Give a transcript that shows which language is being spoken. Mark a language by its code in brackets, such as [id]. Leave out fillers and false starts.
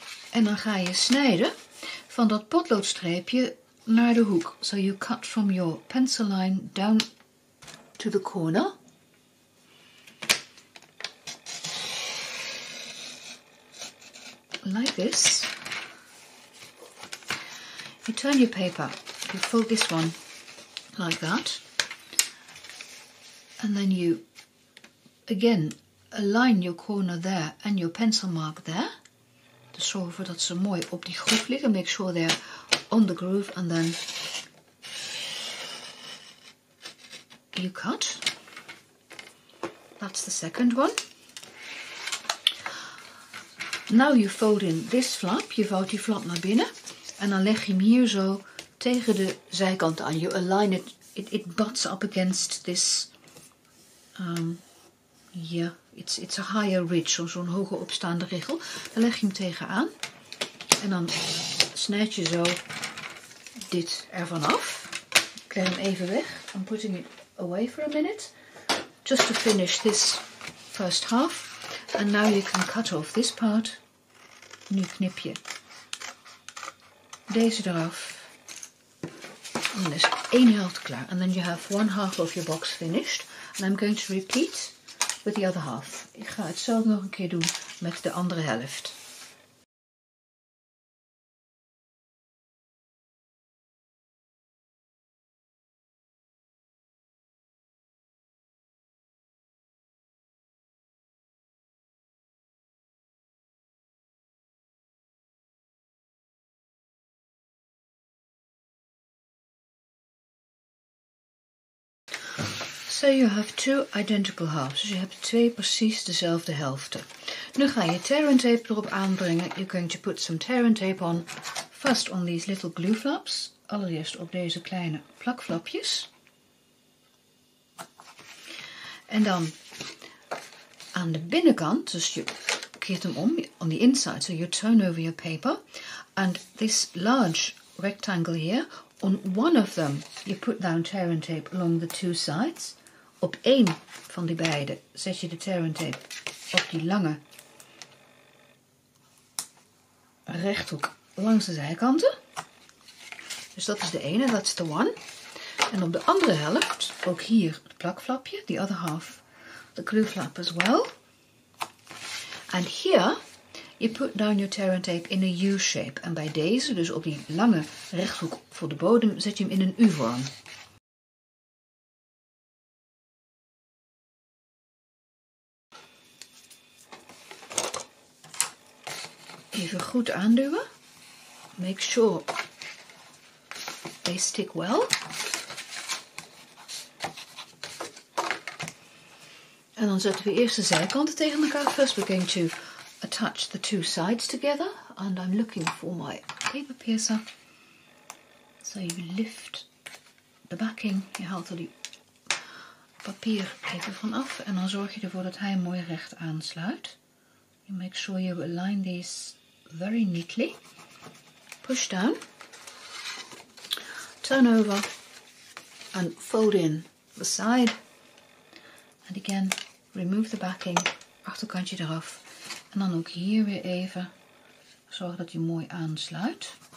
[nl] En dan ga je snijden van dat potloodstreepje naar de hoek. [en] So you cut from your pencil line down to the corner. Like this. You turn your paper. You fold this one like that. And then you again align your corner there and your pencil mark there. [nl] Dus zorg ervoor dat ze mooi op die groef liggen. [en] Make sure they're on the groove. And then you cut. That's the second one. Now you fold in this flap. [nl] Je vouwt die flap naar binnen. En dan leg je hem hier zo tegen de zijkant aan. [en] You align it. It butts up against this. It's a higher ridge, [nl] zo'n hoge opstaande richel. Dan leg je hem tegenaan. En dan snijd je zo dit ervan af. Ik leg hem even weg. [en] I'm putting it away for a minute. Just to finish this first half. And now you can cut off this part. [nl] Nu knip je deze eraf. En dan is één helft klaar. [en] And then you have one half of your box finished. And I'm going to repeat with the other half. [nl] Ik ga hetzelfde nog een keer doen met de andere helft. [en] So you have two identical halves. [nl] Dus je hebt twee precies dezelfde helften. Nu ga je tear and tape erop aanbrengen. [en] You're going to put some tear and tape on. First on these little glue flaps. [nl] Allereerst op deze kleine plakflapjes. En dan aan de binnenkant. Dus je keert hem om. [en] On the inside. So you turn over your paper. And this large rectangle here. On one of them you put down tear and tape along the two sides. [nl] Op één van die beide zet je de tear and tape op die lange rechthoek langs de zijkanten. Dus dat is de ene, [en] that's the one. [nl] En op de andere helft, ook hier het plakflapje, [en] the other half, the glue flap as well. And here, you put down your tear and tape in a U-shape. [nl] En bij deze, dus op die lange rechthoek voor de bodem, zet je hem in een U-vorm. Even goed aanduwen. [en] Make sure they stick well. [nl] En dan zetten we eerst de zijkanten tegen elkaar. [en] First we're going to attach the two sides together. And I'm looking for my paper piercer. So you lift the backing. [nl] Je haalt er die papier even vanaf. En dan zorg je ervoor dat hij mooi recht aansluit. [en] You make sure you align these very neatly. Push down, turn over and fold in the side. And again, remove the backing, [nl] achterkantje eraf. En dan ook hier weer even zorg dat je mooi aansluit.